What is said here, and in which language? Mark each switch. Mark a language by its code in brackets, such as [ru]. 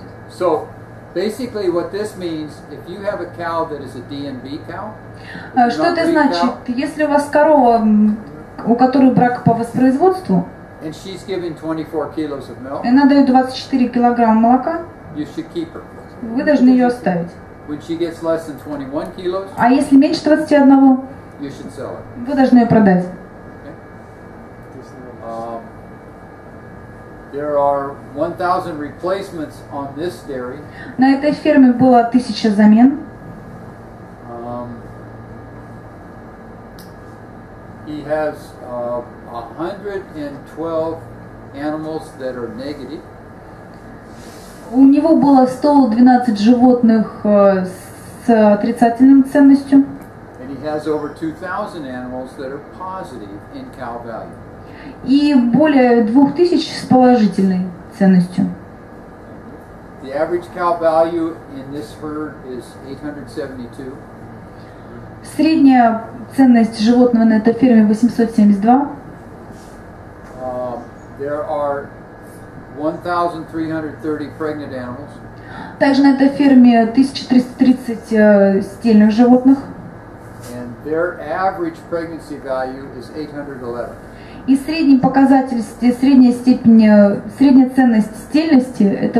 [en] So, basically, what this means, if you have a cow that is a DNB cow, [ru] что это значит? Если у вас корова, у которой брак по воспроизводству, [en] and she's given 24 kilos of milk, [ru] она дает 24 килограмма молока, [en] you should keep her. [ru] Вы должны ее оставить. [en] When she gets less than 21 kilos, [ru] а если меньше 21, [en] you should sell her. [ru] Вы должны ее продать. [en] There are 1,000 replacements on this dairy. [ru] На этой ферме было 1000 замен. [en] He has 112 animals that are negative. [ru] У него было 112 животных с отрицательным ценностью. [en] And he has over 2,000 animals that are positive in cow value. [ru] И более 2000 с положительной ценностью. [en] The average cow value in this herd is 872. [ru] Средняя ценность животного на этой ферме 872. [en] There are 1330 pregnant animals. [ru] Также на этой ферме 1330 стельных животных. [en] And their average pregnancy value is 811. [ru] И средний показатель, средняя степень, средняя ценность стельности – это